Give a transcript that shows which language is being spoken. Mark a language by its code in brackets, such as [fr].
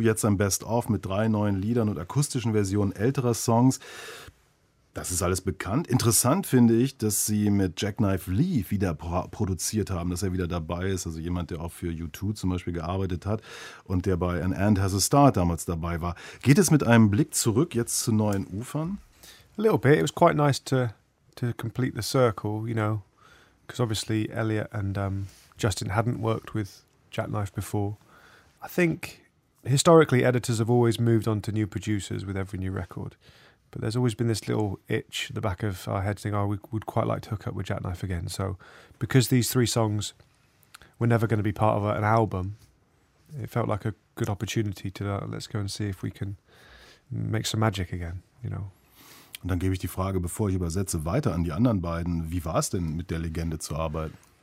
[de] Jetzt ein Best-of mit 3 neuen Liedern und akustischen Versionen älterer Songs. Das ist alles bekannt. Interessant finde ich, dass sie mit Jackknife Lee wieder produziert haben, dass er wieder dabei ist. Also jemand, der auch für U2 zum Beispiel gearbeitet hat und der bei An End Has a Start damals dabei war. Geht es mit einem Blick zurück jetzt zu neuen Ufern? [en] A little bit. It was quite nice to complete the circle, you know, because obviously Elliot and Justin hadn't worked with Jackknife before. I think historically editors have always moved on to new producers with every new record. But there's always been this little itch at the back of our heads thinking, oh, we would quite like to hook up with Jackknife again. So because these three songs were never going to be part of an album, it felt like a good opportunity to let's go and see if we can make some magic again, you know. [de] Und dann gebe ich die Frage, bevor ich übersetze, weiter an die anderen beiden. Wie war es denn, mit der Legende zu arbeiten?